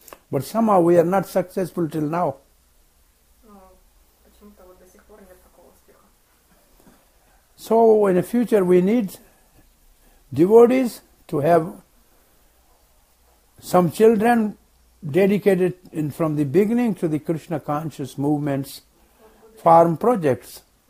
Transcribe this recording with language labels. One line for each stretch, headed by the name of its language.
English: But somehow we are not successful till now.
Russian: почему-то вот до сих пор нет такого успеха.
English: So in the future we need devotees to have some children dedicated in from the beginning to the Krishna conscious movements farm projects.